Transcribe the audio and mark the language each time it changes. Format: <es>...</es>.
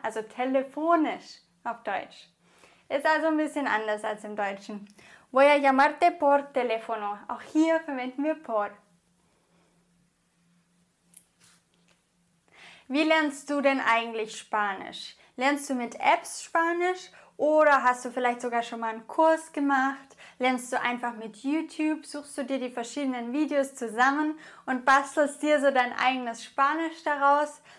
<de>Also telefonisch auf Deutsch. Ist also ein bisschen anders als im Deutschen.</de> <es>Voy a llamarte por teléfono.</es> <de>Auch hier verwenden wir por. Wie lernst du denn eigentlich Spanisch? Lernst du mit Apps Spanisch oder hast du vielleicht sogar schon mal einen Kurs gemacht? Lernst du einfach mit YouTube? Suchst du dir die verschiedenen Videos zusammen und bastelst dir so dein eigenes Spanisch daraus?</de>